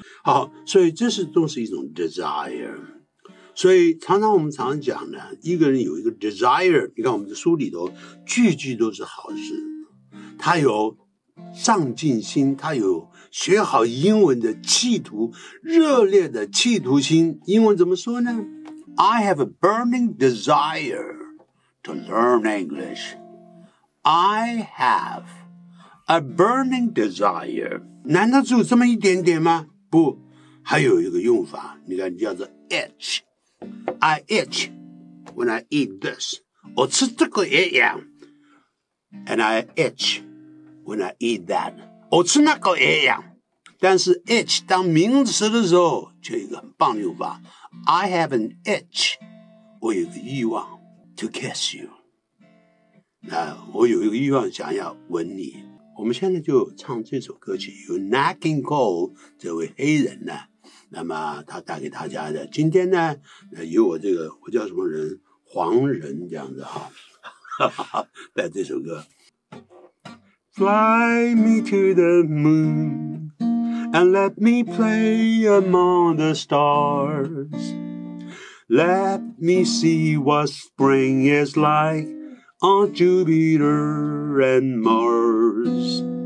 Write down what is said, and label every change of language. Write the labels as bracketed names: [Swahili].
[Chinese] 好，所以这是都是一种 desire。所以常常我们常讲呢，一个人有一个 desire， 你看我们的书里头句句都是好事，他有上进心，他有学好英文的企图，热烈的企图心。英文怎么说呢？ [English] I have a burning desire to learn English. I have a burning desire. [Chinese] 难道只有这么一点点吗？不，还有一个用法，你看叫做 itch。 [English] I itch when I eat this. [Chinese] 我吃这个也痒。 [English] And I itch when I eat that. [Chinese] 我吃那个也痒。但是 itch 当名词的时候，就一个很棒的用法。 [English] I have an itch. [Chinese] 我有个欲望 [English] to kiss you. [Chinese] 那我有一个欲望想要吻你。我们现在就唱这首歌曲，由 Nat King Cole 这位黑人呢。那么他带给大家的今天呢，由我这个我叫什么人，黄人这样子哈，带这首歌。 [English] Fly me to the moon and let me play among the stars. Let me see what spring is like on Jupiter and Mars.